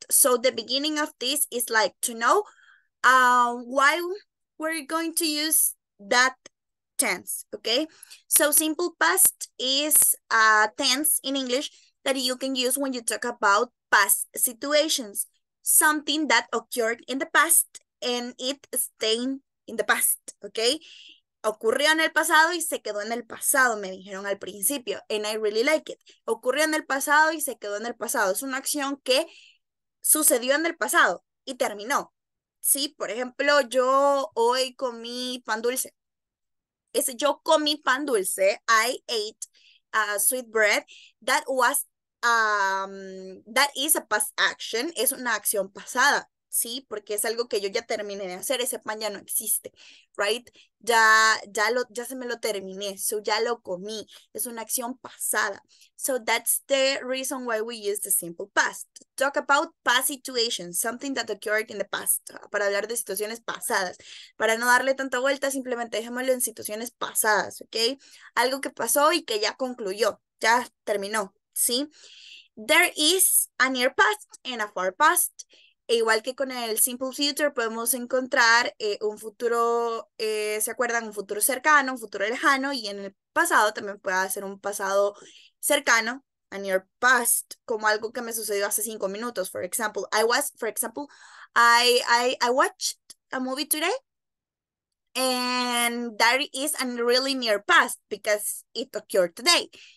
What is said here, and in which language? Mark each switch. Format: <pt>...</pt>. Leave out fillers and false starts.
<en>So the beginning of this is like to know why we're going to use that tense, okay? So simple past is a tense in English that you can use when you talk about past situations, something that occurred in the past and it stayed in the past, okay?</en> <es>Ocurrió en el pasado y se quedó en el pasado, me dijeron al principio.</es> <en>And I really like it.</en> <es>Ocurrió en el pasado y se quedó en el pasado. Es una acción que sucedió en el pasado y terminó. Sí, por ejemplo, yo hoy comí pan dulce. Ese yo comí pan dulce.</es> <en>I ate sweet bread. That is a past action.</en> <es>Es una acción pasada. Sí, porque es algo que yo ya terminé de hacer, ese pan ya no existe, right? Ya se me lo terminé, so ya lo comí, es una acción pasada.</es> <en>So that's the reason why we use the simple past. Talk about past situations, something that occurred in the past,</en> <es>para hablar de situaciones pasadas. Para no darle tanta vuelta, simplemente dejémoslo en situaciones pasadas, ¿ok? Algo que pasó y que ya concluyó, ya terminó, ¿sí?</es> <en>There is a near past and a far past.</en> <es>E igual que con el simple future, podemos encontrar un futuro, ¿se acuerdan? Un futuro cercano, un futuro lejano, y en el pasado también puede ser un pasado cercano,</es> <en>a near past,</en> <es>como algo que me sucedió hace 5 minutos.</es> <en>For example, I watched a movie today, and that is a really near past because it occurred today.</en>